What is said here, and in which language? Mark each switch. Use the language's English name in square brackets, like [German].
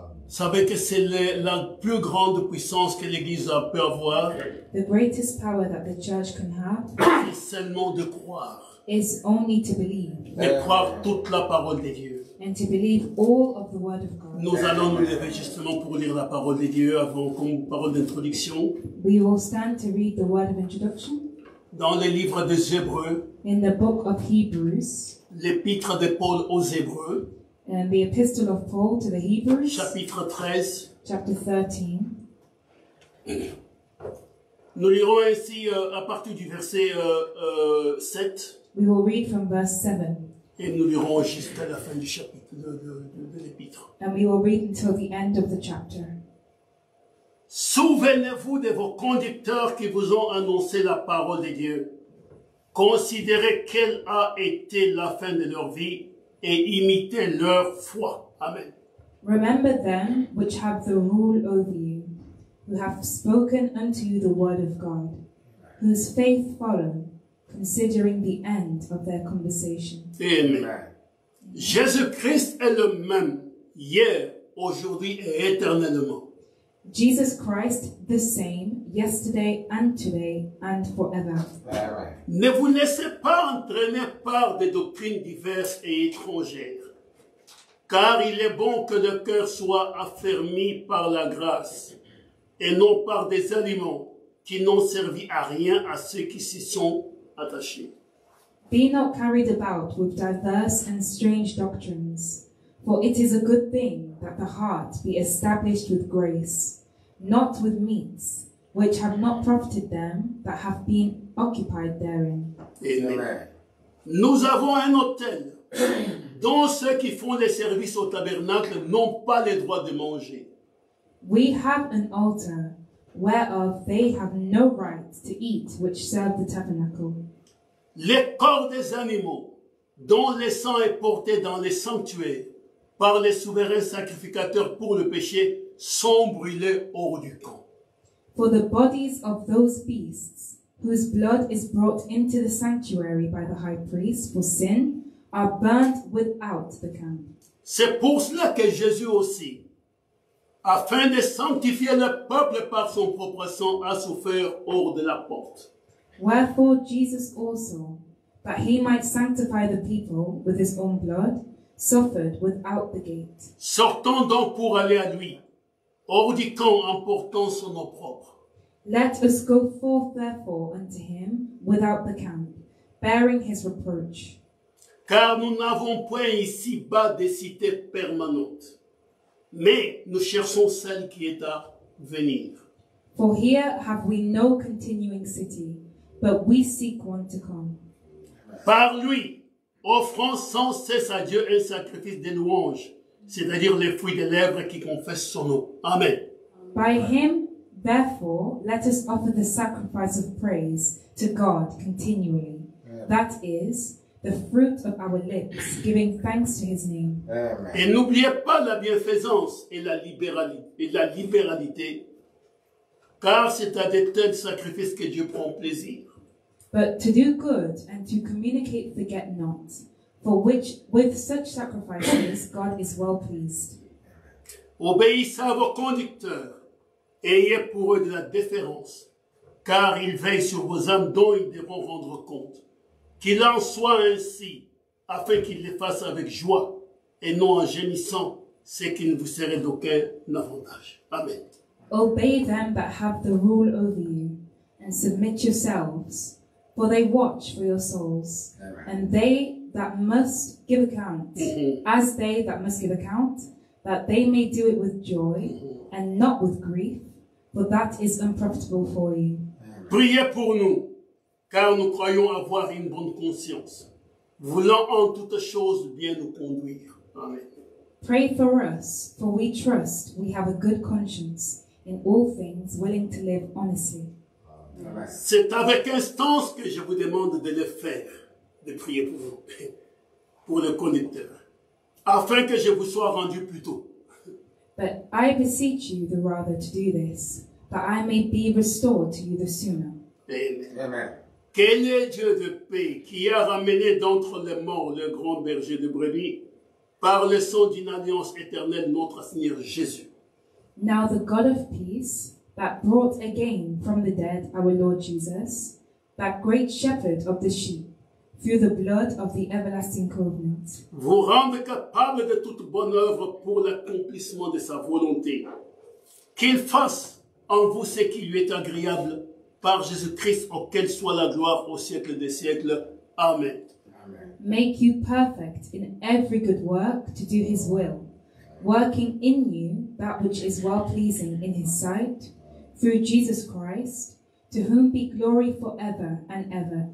[French] Savez que c'est la plus grande puissance que l'Église a pu avoir. [English] The greatest power that the church can have. [French] Est seulement de croire. [English] Is only to believe. [French] De croire toute la parole de Dieu. [English] And to believe all of the word of God. [French] Nous allons nous lever justement pour lire la parole de Dieu avant comme parole d'introduction. [English] We will stand to read the word of introduction. [French] Dans le livre des Hébreux. [English] In the book of Hebrews. [French] L'épître de Paul aux Hébreux. [English] The Epistle of Paul to the Hebrews. [French] Chapitre 13. [English] Chapter 13. [French] Nous lirons ainsi à partir du verset 7. [English] We will read from verse 7. [French] Et nous lirons jusqu'à la fin du chapitre de l'épître. [English] And we will read until the end of the chapter. [French] Souvenez-vous de vos conducteurs qui vous ont annoncé la parole de Dieu. Considérez quelle a été la fin de leur vie et imitez leur foi. Amen. [English] Remember them which have the rule over you, who have spoken unto you the word of God, whose faith follow, considering the end of their conversation. Amen. [French] Jésus-Christ est le même hier, aujourd'hui et éternellement. [English] Jesus Christ, the same, yesterday and today and forever. [French] Ne vous laissez pas entraîner par des doctrines diverses et étrangères. Car il est bon que le cœur soit affermi par la grâce et non par des aliments qui n'ont servi à rien à ceux qui s'y sont attachés. [English] Be not carried about with diverse and strange doctrines, for it is a good thing that the heart be established with grace, not with meats, which have not profited them that have been occupied therein. Amen. [French] Nous avons un autel dont ceux qui font les services au tabernacle n'ont pas le droit de manger. [English] We have an altar whereof they have no right to eat which serve the tabernacle. [French] Les corps des animaux dont le sang est porté dans les sanctuaires par les souverains sacrificateurs pour le péché sont brûlés hors du camp. [English] For the bodies of those beasts whose blood is brought into the sanctuary by the high priest for sin are burnt without the camp. [French] C'est pour cela que Jésus aussi, afin de sanctifier le peuple par son propre sang, a souffert hors de la porte. [English] Wherefore Jesus also, that he might sanctify the people with his own blood, suffered without the gate. [French] Sortons donc pour aller à lui, hors du camp en portant son nom propre. [English] Let us go forth therefore unto him without the camp, bearing his reproach. [French] Car nous n'avons point ici-bas des cités permanentes, mais nous cherchons celle qui est à venir. [English] For here have we no continuing city, but we seek one to come. [French] Par lui, offrant sans cesse à Dieu un sacrifice des louanges, c'est-à-dire les fruits des lèvres qui confessent son nom. Amen. [English] By him, therefore, let us offer the sacrifice of praise to God continually. That is the fruit of our lips, giving thanks to his name. [French] Et n'oubliez pas la bienfaisance et la libéralité, car c'est à des tels sacrifices que Dieu prend plaisir. [English] But to do good and to communicate forget not, for which with such sacrifices God is well pleased. [French] Obéissez à vos conducteurs, ayez pour eux de la déférence, car ils veillent sur vos âmes dont ils devront rendre compte. Qu'il en soit ainsi, afin qu'il les fasse avec joie et non en gémissant, ce qui ne vous serait d'aucun avantage. Amen. [English] Obey them that have the rule over you, and submit yourselves, for they watch for your souls, and they that must give account, as they that must give account, that they may do it with joy and not with grief, for that is unprofitable for you. [French] Priez pour nous, car nous croyons avoir une bonne conscience, voulant en toutes choses bien nous conduire. Amen. [English] Pray for us, for we trust we have a good conscience, in all things willing to live honestly. Amen. [French] C'est avec instance que je vous demande de le faire, de prier pour vous, pour le conducteur, afin que je vous sois rendu plus tôt. [English] But I beseech you the rather to do this, that I may be restored to you the sooner. Amen. Amen. [French] Quel est Dieu de paix qui a ramené d'entre les morts le grand berger de brebis par le sang d'une alliance éternelle, notre Seigneur Jésus. [English] Now the God of peace, that brought again from the dead our Lord Jesus, that great shepherd of the sheep, through the blood of the everlasting covenant. [French] Vous rendez capable de toute bonne œuvre pour l'accomplissement de sa volonté. Qu'il fasse en vous ce qui lui est agréable, par Jésus-Christ, auquel soit la gloire au siècle des siècles. Amen. [English] Make you perfect in every good work to do his will, working in you that which is well-pleasing in his sight, through Jesus Christ, to whom be glory forever and ever.